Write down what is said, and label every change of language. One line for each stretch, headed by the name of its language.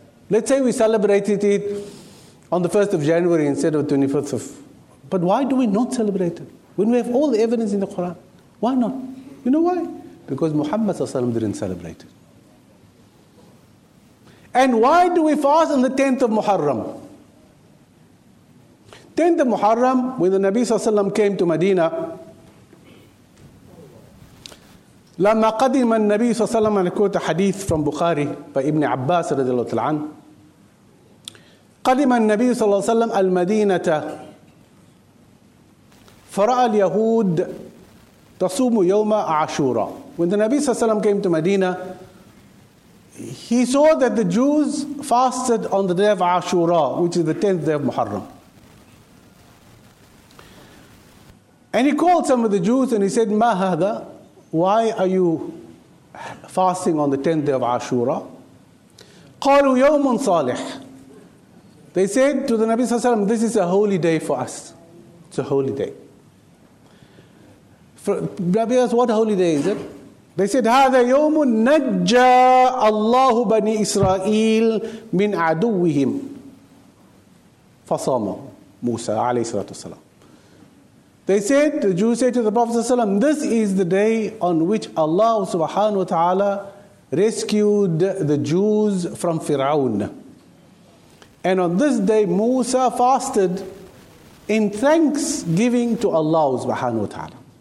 English: Let's say we celebrated it on the 1st of January instead of the 25th of... But why do we not celebrate it? When we have all the evidence in the Quran, why not? You know why? Because Muhammad ﷺ didn't celebrate it. And why do we fast on the 10th of Muharram? 10th of Muharram, when the Nabi ﷺ came to Medina,
Arabic: لما قدم النبي صلى الله عليه وسلم قلت حديث
English: from Bukhari by Ibn Abbas
Arabic: رضي الله تعالى عنه قدم النبي صلى الله عليه وسلم المدينة فرأى اليهود تصوم يوم عاشوراء.
English: When the Nabi sallallahu alaihi wasallam came to Medina, he saw that the Jews fasted on the day of Ashura, which is the 10th day of Muharram. And he called some of the Jews and he said,
Arabic: "Ma hadha?
English: Why are you fasting on the 10th day of Ashura?"
Arabic: قالوا يوم صالح.
English: They said to the Nabi sallallahu alaihi wasallam, "This is a holy day for us. It's a holy day." Nabi asked, what holy day is it? They said,
Arabic: هذا يوم نجى الله بني إسرائيل من عدوهم فصام موسى عليه الصلاة والسلام.
English: They said, the Jews said to the Prophet ﷺ, this is the day on which Allah subhanahu wa ta'ala rescued the Jews from Fir'aun. And on this day, Musa fasted in thanksgiving to Allah subhanahu wa ta'ala.